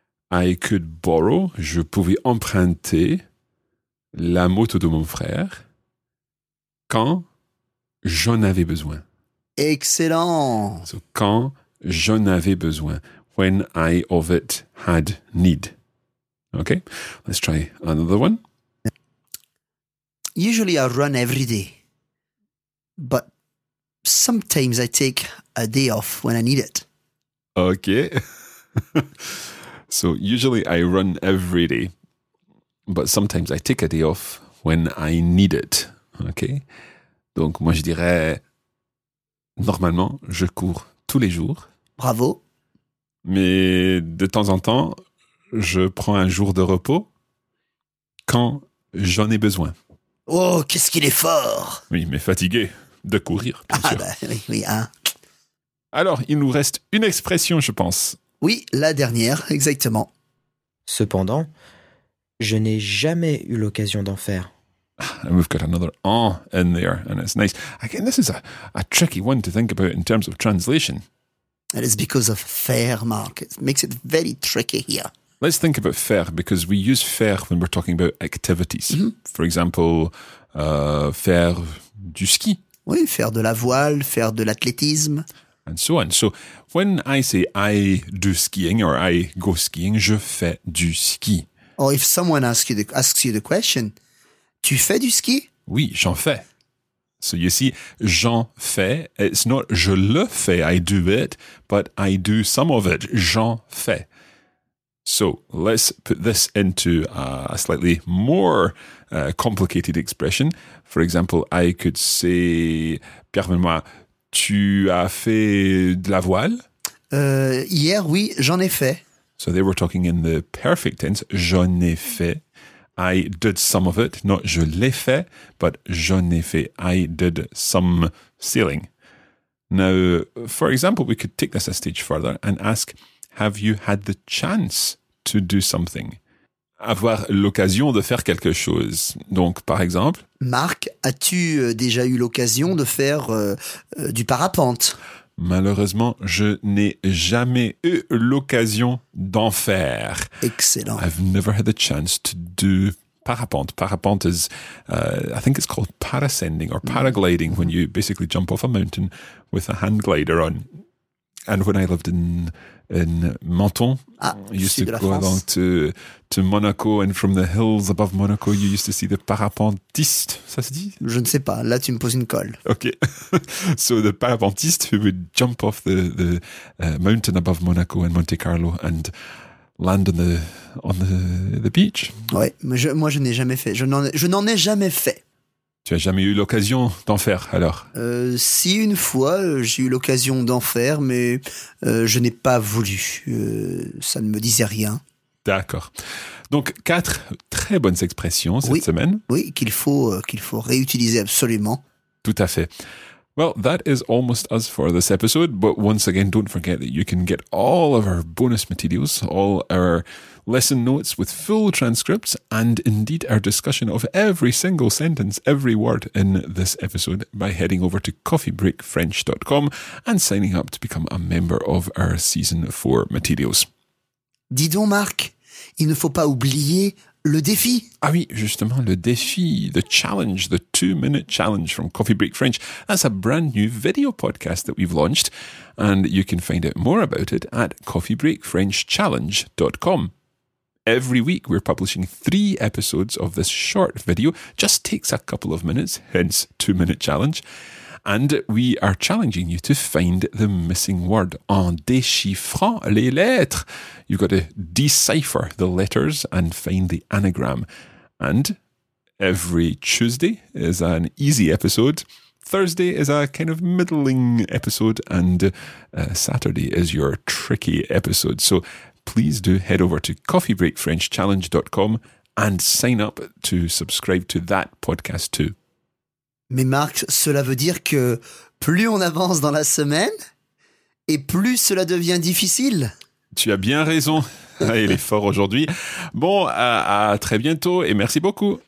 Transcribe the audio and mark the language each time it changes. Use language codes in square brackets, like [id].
[en] I could borrow, [fr] je pouvais emprunter la moto de mon frère, quand j'en avais besoin. [en] Excellent! [fr] So, quand j'en avais besoin. [en] When I of it had need. Okay, let's try another one. Usually I run every day, but sometimes I take a day off when I need it. Okay. So, usually I run every day. But sometimes I take a day off when I need it. Okay? [fr] Donc, moi, je dirais, normalement, je cours tous les jours. Bravo. Mais de temps en temps, je prends un jour de repos. quand j'en ai besoin. Oh, qu'est-ce qu'il est fort! Oui, mais fatigué de courir, bien sûr. Ah, oui, hein. Alors, il nous reste une expression, je pense. Oui, la dernière, exactement. Cependant, je n'ai jamais eu l'occasion d'en faire. [en] And we've got another "en" in there, and it's nice. Again, this is a tricky one to think about in terms of translation. It is because of "faire", Mark. It makes it very tricky here. Let's think about "faire", because we use "faire" when we're talking about activities. Mm-hmm. For example, [fr] faire du ski. Oui, faire de la voile, faire de l'athlétisme. [en] And so on. So when I say I do skiing or I go skiing, [fr] je fais du ski. [en] Or if someone asks you the question, [fr] tu fais du ski? Oui, j'en fais. [en] So you see, [fr] j'en fais, [en] it's not [fr] je le fais, [en] I do it, but I do some of it, j'en fais. So let's put this into a slightly more complicated expression. For example, I could say, Pierre Benoît, [fr] tu as fait de la voile? Hier, oui, j'en ai fait. [en] So they were talking in the perfect tense, [fr] j'en ai fait. [en] I did some of it, not [fr] je l'ai fait, [en] but [fr] j'en ai fait. [en] I did some sailing. Now, for example, we could take this a stage further and ask, have you had the chance to do something? [fr] Avoir l'occasion de faire quelque chose. Donc, par exemple... Marc, as-tu déjà eu l'occasion de faire du parapente? Malheureusement, je n'ai jamais eu l'occasion d'en faire. [en] Excellent. I've never had the chance to do parapente. Parapente is, I think it's called parascending or paragliding, when you basically jump off a mountain with a hand glider on. And when I lived in Menton, I used to go along to Monaco, and from the hills above Monaco, you used to see the parapentiste. [fr] Ça se dit? Je ne sais pas. Là, tu me poses une colle. [en] Okay. So the parapentiste who would jump off the mountain above Monaco and Monte Carlo and land on the beach. [fr] Ouais, mais moi je n'ai jamais fait. Je n'en ai jamais fait. Tu n'as jamais eu l'occasion d'en faire, alors? Si, une fois, j'ai eu l'occasion d'en faire, mais je n'ai pas voulu. Ça ne me disait rien. D'accord. Donc, 4 très bonnes expressions cette semaine. Oui, qu'il faut réutiliser absolument. Tout à fait. [en] Well, that is almost us for this episode. But once again, don't forget that you can get all of our bonus materials, all our lesson notes with full transcripts, and indeed our discussion of every single sentence, every word in this episode, by heading over to coffeebreakfrench.com and signing up to become a member of our Season 4 materials. [fr] Dis donc, Marc, il ne faut pas oublier le défi. Ah oui, justement, le défi, [en] the challenge, the 2-minute challenge from Coffee Break French. That's a brand new video podcast that we've launched, and you can find out more about it at coffeebreakfrenchchallenge.com. Every week, we're publishing 3 episodes of this short video. Just takes a couple of minutes, hence 2-minute challenge. And we are challenging you to find the missing word [fr] en déchiffrant les lettres. [en] You've got to decipher the letters and find the anagram. And every Tuesday is an easy episode. Thursday is a kind of middling episode. And Saturday is your tricky episode. So please do head over to coffeebreakfrenchchallenge.com and sign up to subscribe to that podcast too. [fr] Mais Marc, cela veut dire que plus on avance dans la semaine, et plus cela devient difficile. Tu as bien raison. Il est fort aujourd'hui. Bon, à très bientôt et merci beaucoup.